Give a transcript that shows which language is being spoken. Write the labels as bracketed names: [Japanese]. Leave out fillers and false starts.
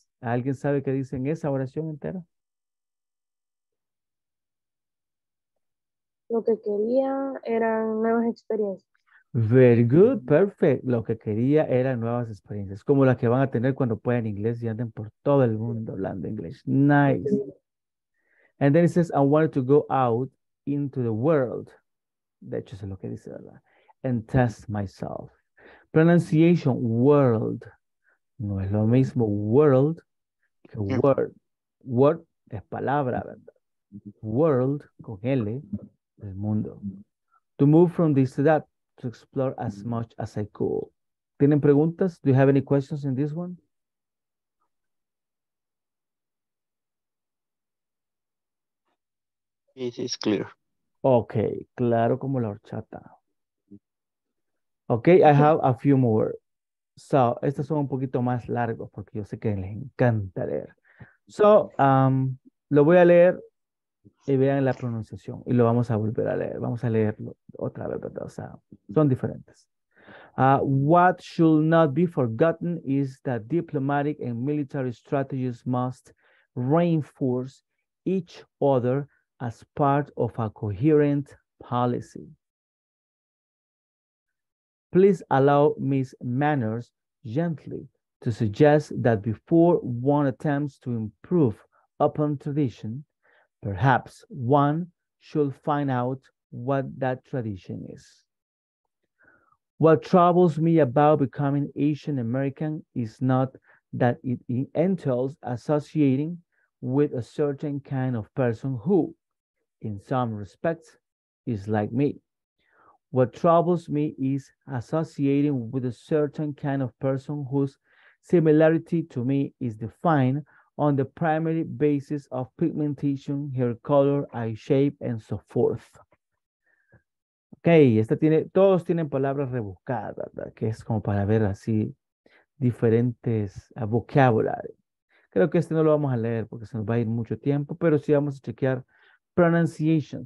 [Spanish] ¿Alguien sabe qué dice en esa oración entera? Lo que quería eran nuevas experiencias. [English] Very good, perfect. [Spanish] Lo que quería eran nuevas experiencias, como las que van a tener cuando puedan inglés y anden por todo el mundo hablando inglés. [English] Nice. And then it says, I wanted to go out into the world. [Spanish] De hecho, eso es lo que dice, ¿verdad? [English] And test myself. Pronunciation, world. [Spanish] No es lo mismo world que word. Word es palabra, ¿verdad? [English] World, [Spanish] con L, el mundo. [English] To move from this to that. To explore as much as I could. [Spanish] ¿Tienen preguntas? [English] Do you have any questions in this one? It is clear. Okay, [Spanish] claro como la horchata. [English] Okay, I have a few more. [Spanish] So, estas son un poquito más largos porque yo sé que les encanta leer. So, lo voy a leer y vean la pronunciación y lo vamos a volver a leer, vamos a leerlo otra vez, ¿verdad? O sea, son diferentes. [English] What should not be forgotten is that diplomatic and military strategies must reinforce each other as part of a coherent policy. Please allow Ms. Manners gently to suggest that before one attempts to improve upon tradition, perhaps one should find out what that tradition is. What troubles me about becoming Asian American is not that it entails associating with a certain kind of person who, in some respects, is like me. What troubles me is associating with a certain kind of person whose similarity to me is defined on the primary basis of pigmentation, hair color, eye shape, and so forth. [Spanish] Okay, esta tiene, todos tienen palabras rebuscadas, ¿verdad? Que es como para ver así diferentes vocabulary. Creo que este no lo vamos a leer porque se nos va a ir mucho tiempo, pero sí vamos a chequear pronunciation.